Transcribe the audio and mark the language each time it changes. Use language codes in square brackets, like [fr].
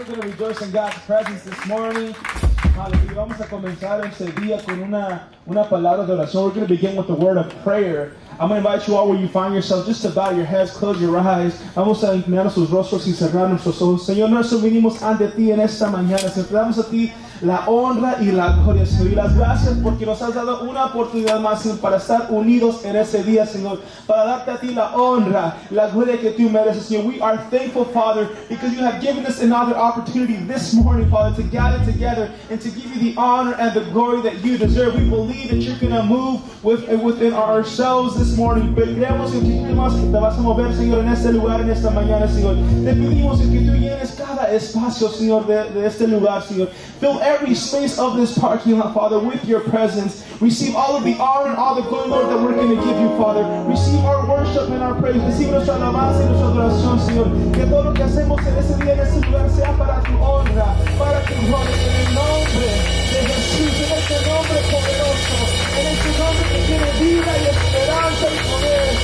[en] We're going to rejoice in God's presence this morning. Hallelujah. [es] Vamos a comenzar este día con una palabra de oración. [en] We're going to begin with a word of prayer. I'm going to invite you all where you find yourself, just to bow your heads, close your eyes. [es] Vamos a inclinar nuestros rostros y cerrar nuestros ojos. Señor, nosotros vinimos ante ti en esta mañana. Te damos a ti la honra y la gloria, Señor. Y las gracias porque nos has dado una oportunidad más, Señor, para estar unidos en ese día, Señor. Para darte a ti la honra, la gloria que tú mereces, Señor. [en] We are thankful, Father, because you have given us another opportunity this morning, Father, to gather together and to give you the honor and the glory that you deserve. We believe that you're going to move within ourselves this morning. [es] Creemos en que te vas a mover, Señor, en este lugar, en esta mañana, Señor. Te pedimos que tú llenes cada espacio, Señor, de este lugar, Señor. [en] Fill every space of this parking lot, Father, with your presence. Receive all of the honor and all the glory, Lord, that we're going to give you, Father. Receive our worship and our praise. Receive [es] nuestra alabanza y nuestra adoración, Señor. Que todo lo que hacemos en este día, en este lugar, sea para tu honra, para tu gloria, en el nombre de Jesús, en este nombre poderoso, en este nombre que tiene vida y esperanza y poder.